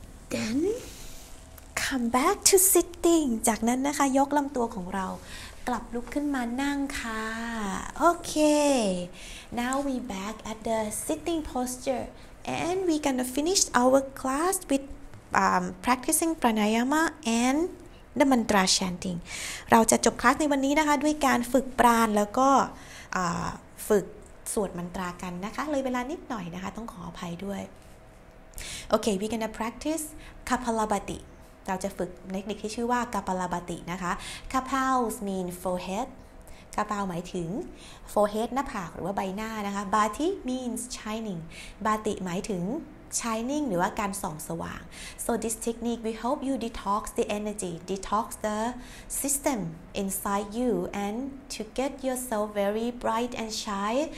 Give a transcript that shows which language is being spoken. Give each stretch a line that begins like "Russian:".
English: Then come back to sitting.
Thai: จากนั้นนะคะยกลำตัวของเรากลับลุกขึ้นมานั่งค่ะ Okay.
English: Now we back at the sitting posture, and we gonna finish our class with practicing pranayama and the mantra chanting
Thai: เราจะจบคลาสในวันนี้นะคะด้วยการฝึกปราณแล้วก็ฝึกสวดมนตรากันนะคะเลยเวลานิดหน่อยนะคะต้องขออภัยด้วย
English: โอเค we gonna practice kapalabhati
Thai: เราจะฝึกเทคนิคที่ชื่อว่า kapalabhati นะคะ
English: kapal mean forehead kapal หมายถึง forehead
Thai: หน้าผากหรือว่าใบหน้านะคะ
English: bhati means shining bhati หมายถึงshining
Thai: หรือว่าการส่องสว่าง
English: so this technique we help you detox the energy detox the system inside you and to get yourself very bright and shy